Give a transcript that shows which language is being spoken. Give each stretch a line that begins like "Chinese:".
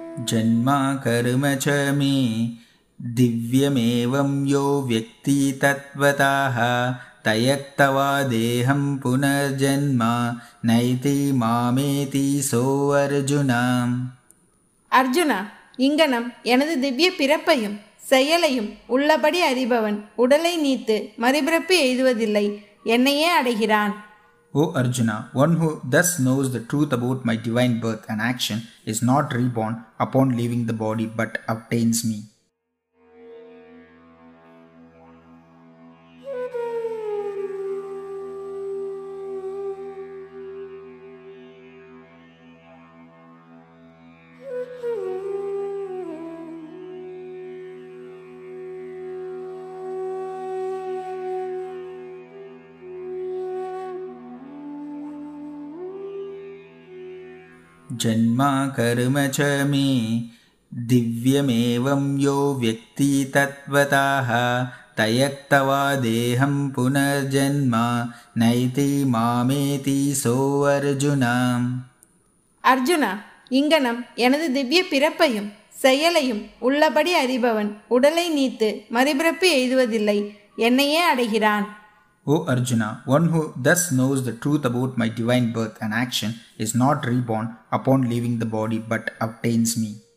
Sanskrit: ஜன்மா கர்ம ச மே திவ்யமேவம் யோ வ்யக்தி தத்வதாஹ தயக்தவா தேஹம் புனர்ஜன்மா நைதி மாமேதி சோ அர்ஜுனா.
Tamil: அர்ஜுனா, இங்கனம் எனது திவ்ய பிறப்பையும் செயலையும் உள்ளபடி அறிபவன் உடலை நீத்து மறுபிறப்பு எய்துவதில்லை என்னையே அடைகிறான்.
English: O Arjuna, one who thus knows the truth about my divine birth and action is not reborn upon leaving the body but obtains me.
Sanskrit: Janma கர்ம ச மே திவ்யமேவம் யோ வ்யக்தி தத்வதாஹ தயக்தவா தேஹம் புனர்ஜன்மா நைதி மாமேதி சோ அர்ஜுனா.
Tamil: அர்ஜுனா, இங்கனம் எனது திவ்ய பிறப்பையும் செயலையும் உள்ளபடி அறிபவன் உடலை நீத்து மறுபிறப்பு எய்துவதில்லை என்னையே அடைகிறான்.
English: O Arjuna, one who thus knows the truth about my divine birth and action is not reborn upon leaving the body but obtains me.